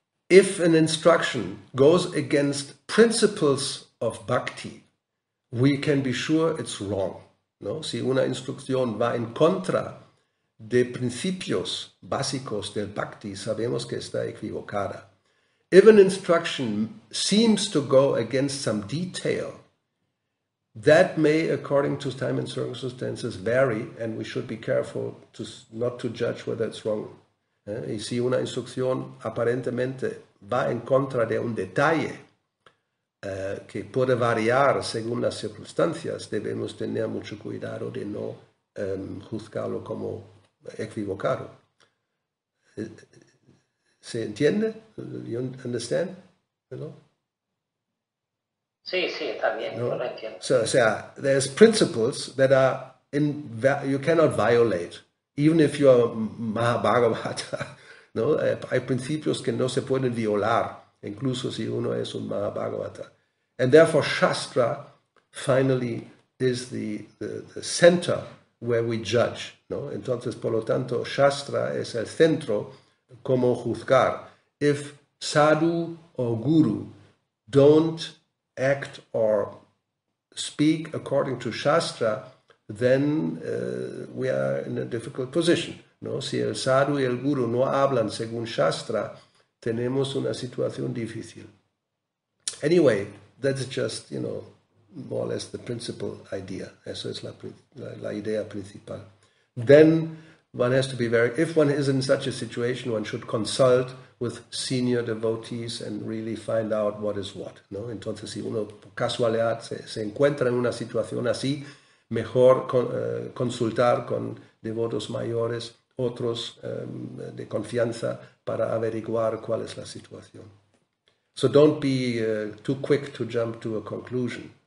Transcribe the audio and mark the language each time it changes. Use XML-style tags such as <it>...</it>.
<en>If an instruction goes against principles of bhakti, we can be sure it's wrong.</en> <es>No, si una instrucción va en contra de principios básicos del bhakti, sabemos que está equivocada.</es> <en>If an instruction seems to go against some detail, that may, according to time and circumstances, vary, and we should be careful to not to judge whether it's wrong.</en> <es>Y si una instrucción aparentemente va en contra de un detalle que puede variar según las circunstancias, debemos tener mucho cuidado de no juzgarlo como equivocado. ¿Se entiende?</es> <en>¿You understand?</en> <es>¿No? Sí, está bien, yo lo ¿No? entiendo.</es> <en>So, o sea, there's principles that are in you cannot violate, even if you are Mahabhagavata.</en> <es>¿No? Hay principios que no se pueden violar, incluso si uno es un Mahabhagavata.</es> <en>And therefore, Shastra finally is the center where we judge, ¿no?</en> <es>Entonces, por lo tanto, Shastra es el centro como juzgar.</es> <en>If sadhu o guru don't act or speak according to Shastra, then we are in a difficult position.</en> <es>No, si el sadhu y el guru no hablan según Shastra, tenemos una situación difícil.</es> <en>Anyway, that's just, more or less the principal idea.</en> <es>Eso es la idea principal.</es> <en>Then one has to be very, if one is in such a situation, one should consult with senior devotees and really find out what is what.</en> <es>No, entonces si uno por casualidad se encuentra en una situación así, mejor consultar con devotos mayores. Otros de confianza para averiguar cuál es la situación.</es> <en>So don't be too quick to jump to a conclusion.</en>